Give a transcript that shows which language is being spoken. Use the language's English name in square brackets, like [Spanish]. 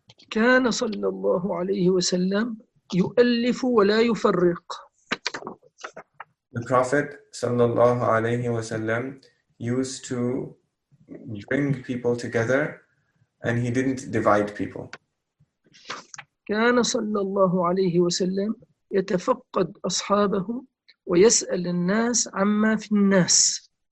[Arabic] كان صلى الله عليه وسلم يؤلف ولا يفرق. [English] The Prophet [Arabic] sallallahu alayhi wasallam [English] used to bring people together and he didn't divide people. [Arabic] كان صلى الله عليه وسلم يتفقد أصحابه ويسأل الناس عما في الناس.